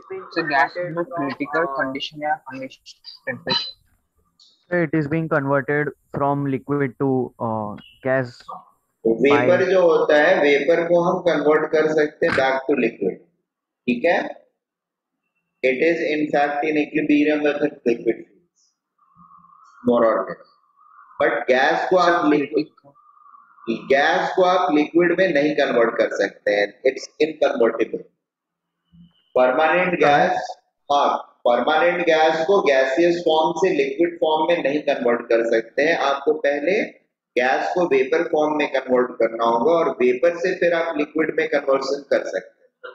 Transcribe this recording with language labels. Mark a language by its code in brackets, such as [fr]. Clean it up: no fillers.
[en] So gas is in critical condition or high temperature. It is being converted from liquid to gas. [hi] Vapor जो होता है, vapor को हम convert कर सकते हैं [en] back to liquid. [hi] ठीक है? [en] It is in fact in equilibrium with liquid phase, more or less. [hi] But gas को आप लिक्विड, गैस को आप लिक्विड में नहीं कन्वर्ट कर सकते हैं, [en] It's inconvertible. [hi] परमानेंट गैस, हाँ, परमानेंट गैस को गैसियस फॉर्म से लिक्विड फॉर्म में नहीं कन्वर्ट कर सकते हैं, आपको पहले गैस को वेपर फॉर्म में कन्वर्ट करना होगा और वेपर से फिर आप लिक्विड में कन्वर्शन कर सकते हैं।